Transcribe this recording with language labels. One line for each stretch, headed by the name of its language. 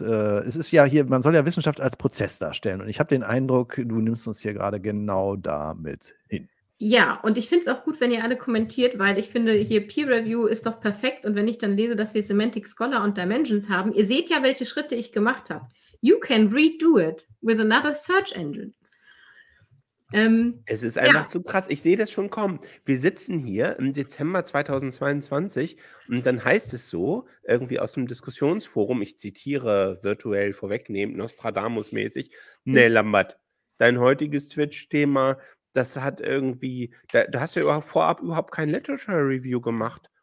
German: es ist ja hier, man soll ja Wissenschaft als Prozess darstellen. Und ich habe den Eindruck, du nimmst uns hier gerade genau damit hin. Ja, und ich finde es auch gut, wenn ihr alle kommentiert, weil ich finde, hier Peer Review ist doch perfekt. Und wenn ich dann lese, dass wir Semantic Scholar und Dimensions haben, ihr seht ja, welche Schritte ich gemacht habe.
English: You can redo it with another search engine.
German: Es ist einfach zu krass. Ich sehe das schon kommen. Wir sitzen hier im Dezember 2022 und dann heißt es so, irgendwie aus dem Diskussionsforum, ich zitiere virtuell vorwegnehmend, Nostradamus-mäßig, nee, Lambert, dein heutiges Twitch-Thema, das hat irgendwie, da hast du ja vorab überhaupt kein Literature-Review gemacht.